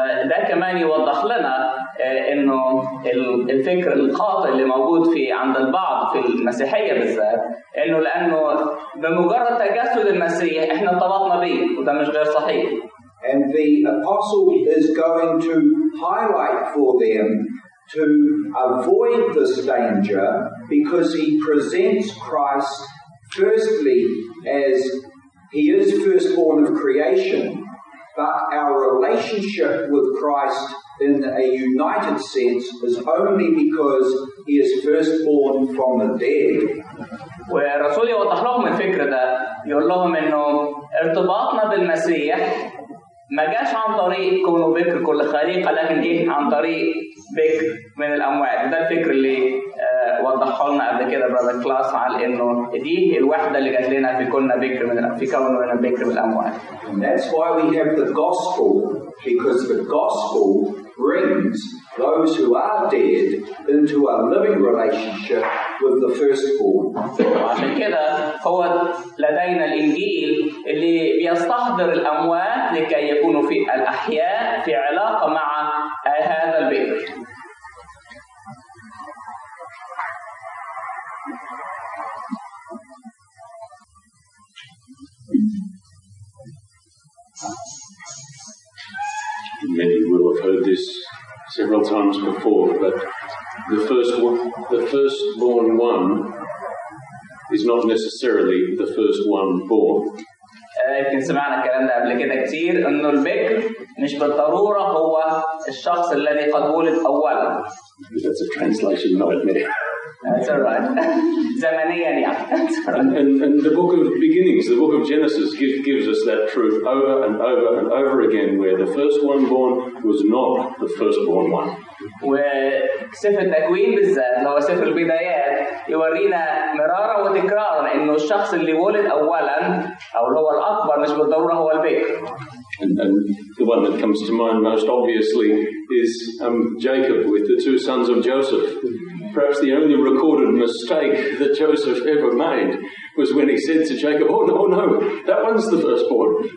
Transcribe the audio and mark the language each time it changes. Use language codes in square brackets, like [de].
[ar] ده كمان يوضح لنا انه الفكر الخاطئ اللي موجود في عند البعض في المسيحيه بالذات انه لانه بمجرد تجسد المسيح احنا ارتبطنا بيه وده مش غير صحيح. [en] And the apostle is going to highlight for them to avoid this danger because he presents Christ firstly as he is firstborn of creation. But our relationship with Christ in a united sense is only because he is firstborn from the dead. [ar] ورسول يوضح لهم الفكر ده يقول لهم انه ارتباطنا بالمسيح ما جاش عن طريق كونه بكر كل خليقه لكن جه عن طريق بكر من الاموات. ده الفكر اللي وضحه لنا قبل كده برادر كلاس على انه دي الوحده اللي جات لنا في كوننا بكر من في كوننا من بكر من الاموات. [en] And that's why we have the gospel, because the gospel brings those who are dead into a living relationship with the firstborn. [ar] عشان كده هو لدينا الإنجيل اللي بيستحضر الأموات لكي يكونوا في الأحياء في علاقة مع هذا البكر. [en] Many will have heard this several times before, but the firstborn one is not necessarily the first one born. [ar] يمكن سمعنا الكلام ده قبل كده كتير انه البكر مش بالضروره هو الشخص الذي قد ولد اولا. [en] That's a translation, not admitting. That's all right. [ar] زمنيا يعني. [en] And the book of beginnings, the book of Genesis gives us that truth over and over and over again where the first one born was not the firstborn one. [ar] وسفر التكوين بالذات هو سفر البدايات يورينا مرارا وتكرارا انه الشخص اللي ولد اولا او اللي هو الاكبر مش بالضروره هو البكر. [en] And the one that comes to mind most obviously is Jacob with the two sons of Joseph. Perhaps the only recorded mistake that Joseph ever made was when he said to Jacob, "Oh no, no, that one's the firstborn."